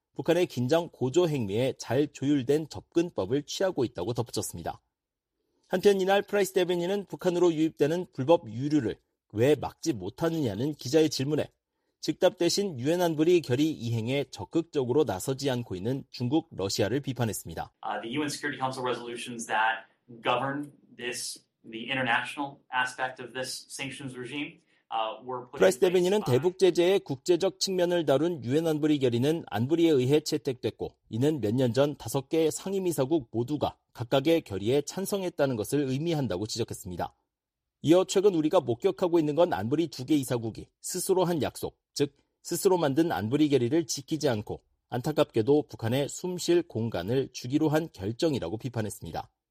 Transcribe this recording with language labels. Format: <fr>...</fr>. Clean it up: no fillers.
<ko>북한의 긴장 고조 행위에 잘 조율된 접근법을 취하고 있다고 덧붙였습니다. 한편 이날 프라이스 대변인은 북한으로 유입되는 불법 유류를 왜 막지 못하느냐는 기자의 질문에 즉답 대신 유엔 안보리 결의 이행에 적극적으로 나서지 않고 있는 중국, 러시아를 비판했습니다.</ko> <en>The UN Security Council resolutions that govern this, the international aspect of this sanctions regime.</en> <ko>프라이스 대변인은 대북 제재의 국제적 측면을 다룬 유엔 안보리 결의는 안보리에 의해 채택됐고 이는 몇 년 전 5개 상임이사국 모두가 각각의 결의에 찬성했다는 것을 의미한다고 지적했습니다. 이어 최근 우리가 목격하고 있는 건 안보리 2개 이사국이 스스로 한 약속, 즉 스스로 만든 안보리 결의를 지키지 않고 안타깝게도 북한의 숨쉴 공간을 주기로 한 결정이라고 비판했습니다.</ko>